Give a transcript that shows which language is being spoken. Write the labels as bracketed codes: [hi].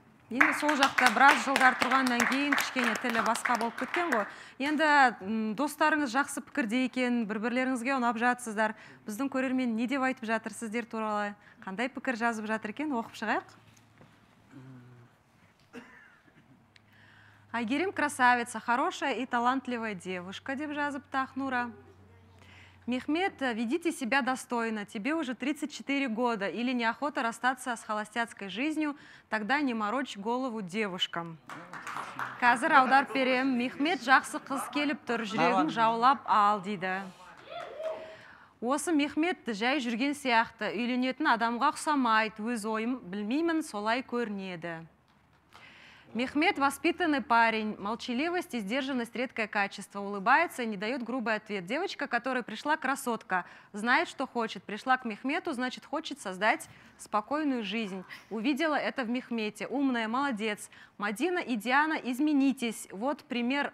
[kk] Енді сол жақта біраз жылдар тұрғаннан кейін кішкене тілі басқа болып кеткен ғой. Енді достарыңыз жақсы пікірде екен, бір-бірлеріңізге ұнап жатсыздар. Біздің көрермен не деп айтып жатыр сіздер туралы? Қандай пікір жазып жатыр екен? Оқып шығайық. [ru] Айгерім красавица, хорошая и талантливая девушка [kk] деп жазып [ru] Тахнура. Мехмет, ведите себя достойно. Тебе уже 34 года. Или неохота расстаться с холостяцкой жизнью, тогда не морочь голову девушкам. [kk] Қазір аудар перем. Мехмет, жақсы қыз келіп тұр, жүрегін жаулап ал дейді. Осы Мехмет жай жүрген сияқты. Үйленетін адамға құсамайды. Өз ойым білмеймін, солай көрінеді. [ru] Мехмет – воспитанный парень. Молчаливость и сдержанность – редкое качество. Улыбается и не дает грубый ответ. Девочка, которая пришла – красотка. Знает, что хочет. Пришла к Мехмету, значит, хочет создать спокойную жизнь. Увидела это в Мехмете. Умная, молодец. Мадина и Диана, изменитесь. Вот пример.